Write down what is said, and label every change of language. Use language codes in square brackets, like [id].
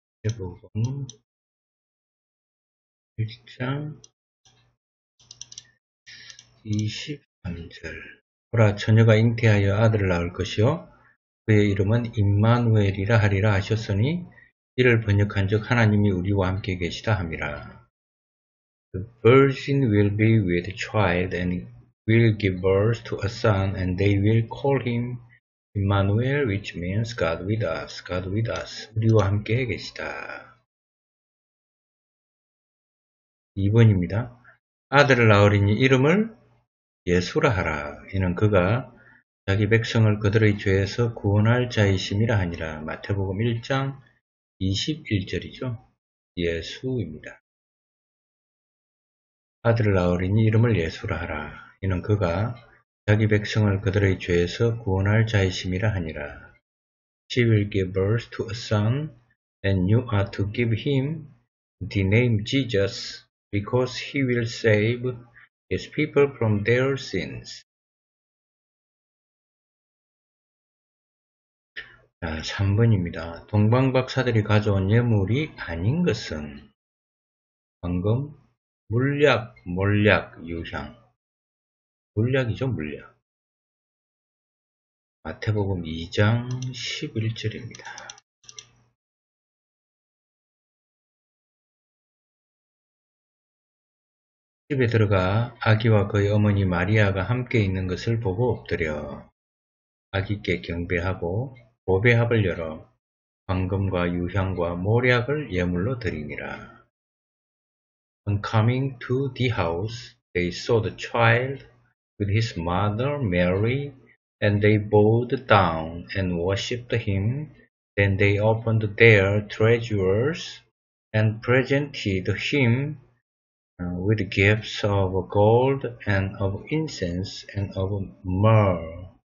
[ko] 마태복음 1장 23절. 보라, 처녀가 잉태하여 아들을 낳을 것이요 그의 이름은 임마누엘이라 하리라 하셨으니 이를 번역한즉 하나님이 우리와 함께 계시다 함이라. [en] The virgin will be with child and will give birth to a son and they will call him Emmanuel, which means God with us. God with us. [ko] 우리와 함께 계시다. 2번입니다. 아들을 낳으리니 이름을 예수라 하라. 이는 그가 자기 백성을 그들의 죄에서 구원할 자이심이라 하니라. 마태복음 1장 21절이죠. 예수입니다. 아들을 낳으리니 이름을 예수라 하라. 이는 그가 자기 백성을 그들의 죄에서 구원할 자이심이라 하니라. [en] She will give birth to a son, and you are to give him the name Jesus, because he will save His people from their sins. [ko] 자, 3번입니다. 동방박사들이 가져온 예물이 아닌 것은 방금 물약, 몰약, 유향. 물약이죠, 물약. 마태복음 2장 11절입니다. 집에 들어가 아기와 그의 어머니 마리아가 함께 있는 것을 보고 엎드려 아기께 경배하고 보배합을 열어 황금과 유향과 몰약을 예물로 드리니라. [en] On coming to the house, they saw the child with his mother Mary, and they bowed down and worshipped him. Then they opened their treasures and presented him with gifts of gold and of incense and of myrrh.